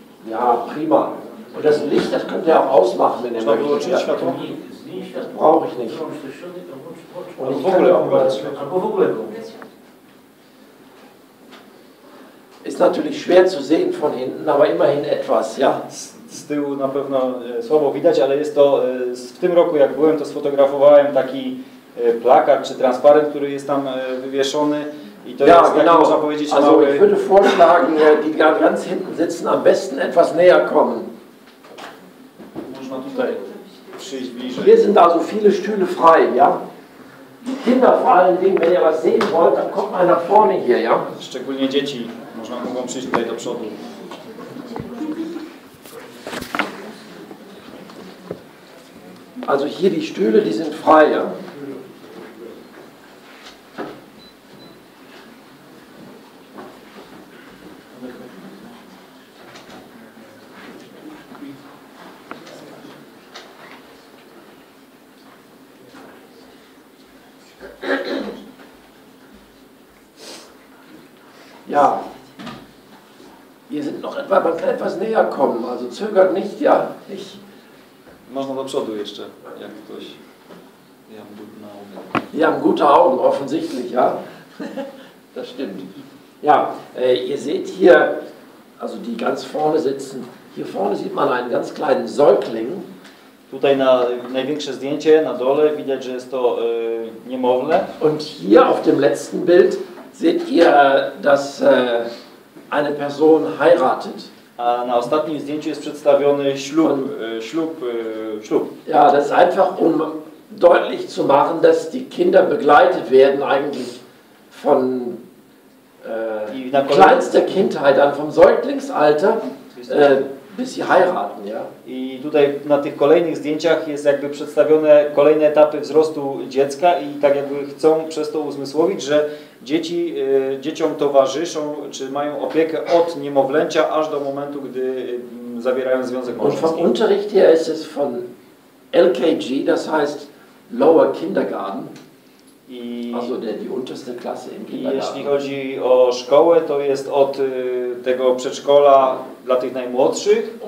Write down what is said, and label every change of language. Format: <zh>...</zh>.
<de>Ja, prima. Und das Licht, das könnt ihr auch ausmachen, wenn ihr möchtet. Das brauche ich nicht. Und ich kann auch mal das. Ist natürlich schwer zu sehen von hinten, aber immerhin etwas, ja?</de> <pl>Z tyłu na pewno słabo widać, ale jest to, w tym roku jak byłem, to sfotografowałem taki plakat czy transparent, który jest tam wywieszony. I to ja, jest taki,</pl> <de>genau.</de> <pl>Można powiedzieć,</pl> <de>also ich würde vorschlagen, die da ganz hinten sitzen, am besten etwas näher kommen.</de> <pl>Można tutaj przyjść bliżej.</pl> <de>Hier sind also viele Stühle frei, ja? Kinder vor allen Dingen, wenn ihr was sehen wollt, dann kommt mal nach vorne hier, ja?</de> <pl>Szczególnie dzieci mogą przyjść tutaj do przodu.</pl> <de>Also hier die Stühle, die sind frei, ja? Ja, wir sind noch etwa, man kann etwas näher kommen, also zögert nicht, ja, ich.</de> <pl>Można do przodu jeszcze, jak ktoś.</pl> <de>Wir haben gute Augen. Wir haben gute Augen, offensichtlich, ja. Das stimmt. Ja, ihr seht hier, also die ganz vorne sitzen, hier vorne sieht man einen ganz kleinen Säugling.</de> <pl>Tutaj na największe zdjęcie, na dole, widać, że jest to niemowlę.</pl> <de>Und hier auf dem letzten Bild seht ihr, dass eine Person heiratet.</de> <pl>A na ostatnim zdjęciu jest przedstawiony ślub.</pl> <de>Und, ślub. Ja, das ist einfach, um deutlich zu machen, dass die Kinder begleitet werden eigentlich von kleinster Kindheit an, vom Säuglingsalter. Bis sie heiraten, ja.</de> <pl>I tutaj na tych kolejnych zdjęciach jest jakby przedstawione kolejne etapy wzrostu dziecka i tak jakby chcą przez to uzmysłowić, że dzieci dzieciom towarzyszą, czy mają opiekę od niemowlęcia aż do momentu, gdy zawierają związek małżeński.</pl> <de>Und vom Unterricht her ist es von LKG, das heißt Lower Kindergarten. I, also die unterste Klasse im Kindergarten.</de> <pl>I jeśli chodzi o szkołę, to jest od tego przedszkola dla tych najmłodszych,</pl>